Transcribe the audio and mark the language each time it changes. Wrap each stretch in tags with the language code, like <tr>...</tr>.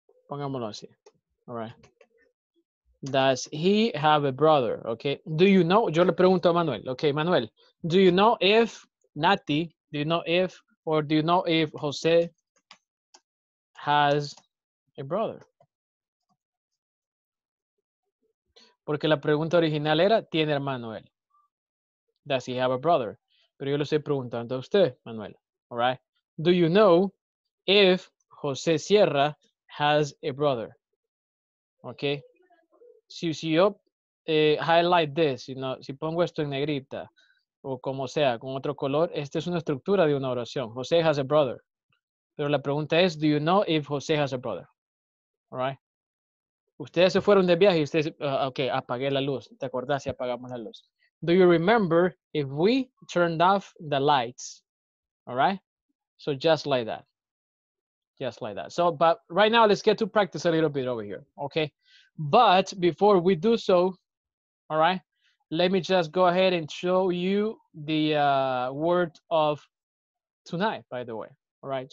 <es>Pongámoslo así.</es> <en>All right. Does he have a brother? Okay. Do you know?</en> <es>Yo le pregunto a Manuel.</es> <en>Okay, Manuel. Do you know if Nati? Do you know if? Or do you know if Jose has a brother?</en> <es>Porque la pregunta original era, ¿tiene hermano él?</es> <en>Does he have a brother?</en> <es>Pero yo lo estoy preguntando a usted, Manuel.</es> <en>All right. Do you know if Jose Sierra has a brother?</en> <es>Okay. Si yo</es> <en>highlight this, you know,</en> <es>si pongo esto en negrita, o como sea, con otro color, esta es una estructura de una oración.</es> <en>Jose has a brother.</en> <es>Pero la pregunta es,</es> <en>do you know if Jose has a brother? All right.</en> <es>Ustedes se fueron de viaje y ustedes, ok, apagué la luz. ¿Te acordás si apagamos la luz?</es> <en>Do you remember if we turned off the lights? All right. So just like that. Just like that. So, but right now, let's get to practice a little bit over here. Okay. But before we do so, all right. Let me just go ahead and show you the word of tonight, by the way. All right.</en>